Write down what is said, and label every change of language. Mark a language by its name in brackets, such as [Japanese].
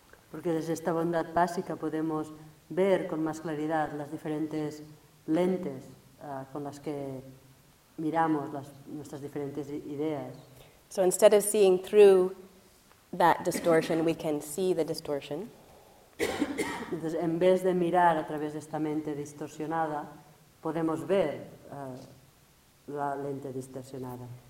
[Spanish] Porque desde esta bondad básica podemos ver con más claridad las diferentes lentes con las que miramos nuestras diferentes ideas. [English] So instead of seeing through that distortion, we can see the distortion. [Spanish] Entonces, en vez de mirar a través de esta mente distorsionada, podemos ver la lente distorsionada.